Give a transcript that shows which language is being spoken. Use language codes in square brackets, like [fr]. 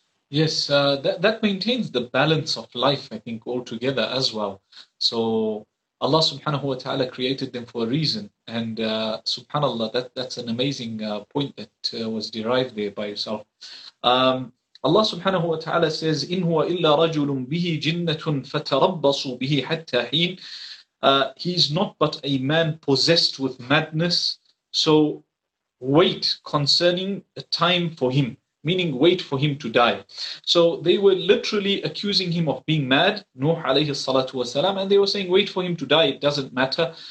[en] Yes, that maintains the balance of life, I think, altogether as well. So Allah subhanahu wa ta'ala created them for a reason. And subhanAllah, that's an amazing point that was derived there by yourself. [ar] Allah subhanahu wa ta'ala says, إِنْ هُوَ إِلَّا رَجُلٌ بِهِ جِنَّةٌ فَتَرَبَّصُوا بِهِ حَتَّى حِينٍ. [en] He's not but a man possessed with madness. So wait concerning a time for him, meaning wait for him to die. So they were literally accusing him of being mad, Nuh alayhi salatu wasalam, and they were saying, wait for him to die, it doesn't matter.